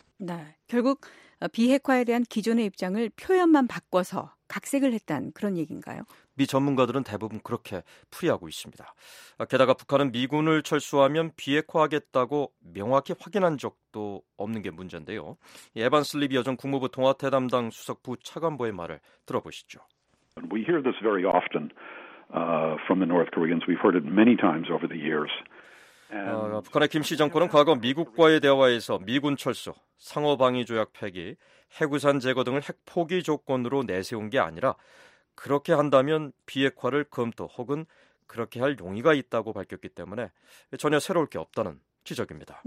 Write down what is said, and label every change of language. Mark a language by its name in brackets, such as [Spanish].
[Korean] 네, 결국 비핵화에 대한 기존의 입장을 표현만 바꿔서 각색을 했다는 그런 얘기인가요? 미 전문가들은 대부분 그렇게 풀이하고 있습니다. 게다가 북한은 미군을 철수하면 비핵화하겠다고 명확히 확인한 적도 없는 게 문제인데요. 에반스 리비어 전 국무부 통화태 담당 수석부 차관보의 말을 들어보시죠. [English] We hear this very often from the North Koreans. We've heard it many times over the years. [Korean] 북한의 김씨 정권은 과거 미국과의 대화에서 미군 철수, 상호방위조약 폐기, 핵우산 제거 등을 핵포기 조건으로 내세운 게 아니라 그렇게 한다면 비핵화를 검토 혹은 그렇게 할 용의가 있다고 밝혔기 때문에 전혀 새로울 게 없다는 지적입니다.